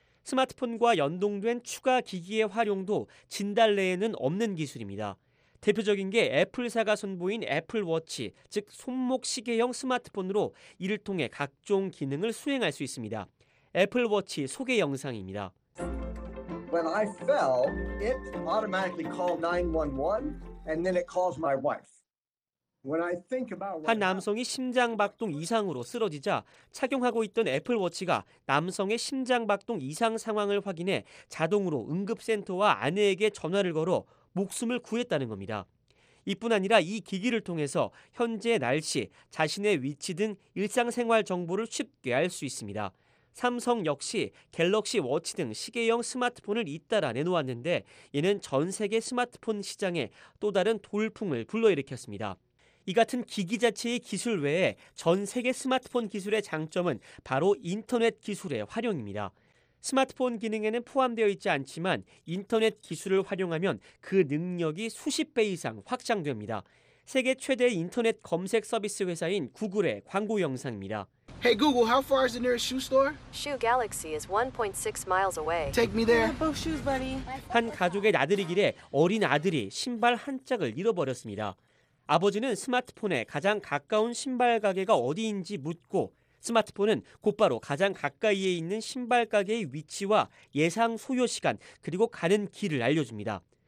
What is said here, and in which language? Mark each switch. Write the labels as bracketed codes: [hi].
[ko] 스마트폰과 연동된 추가 기기의 활용도 진달래에는 없는 기술입니다. 대표적인 게 애플사가 선보인 애플워치, 즉 손목 시계형 스마트폰으로 이를 통해 각종 기능을 수행할 수 있습니다. 애플워치 소개 영상입니다. [en] When I fell, it automatically called 911 and then it calls my wife. When I think about [ko] 한 남성이 심장박동 이상으로 쓰러지자 착용하고 있던 애플워치가 남성의 심장박동 이상 상황을 확인해 자동으로 응급센터와 아내에게 전화를 걸어 목숨을 구했다는 겁니다. 이뿐 아니라 이 기기를 통해서 현재 날씨, 자신의 위치 등 일상생활 정보를 쉽게 알 수 있습니다. 삼성 역시 갤럭시 워치 등 시계형 스마트폰을 잇따라 내놓았는데 이는 전 세계 스마트폰 시장에 또 다른 돌풍을 불러일으켰습니다. 이 같은 기기 자체의 기술 외에 전 세계 스마트폰 기술의 장점은 바로 인터넷 기술의 활용입니다. 스마트폰 기능에는 포함되어 있지 않지만 인터넷 기술을 활용하면 그 능력이 수십 배 이상 확장됩니다. 세계 최대 인터넷 검색 서비스 회사인 구글의 광고 영상입니다. [en] Hey Google, how far is the nearest shoe store? Shoe Galaxy is 1.6 miles away. Take me there. Both shoes, buddy. [ko] 한 가족의 나들이 길에 어린 아들이 신발 한 짝을 잃어버렸습니다. 아버지는 스마트폰에 가장 가까운 신발 가게가 어디인지 묻고 스마트폰은 곧바로 가장 가까이에 있는 신발 가게의 위치와 예상 소요 시간 그리고 가는 길을 알려줍니다.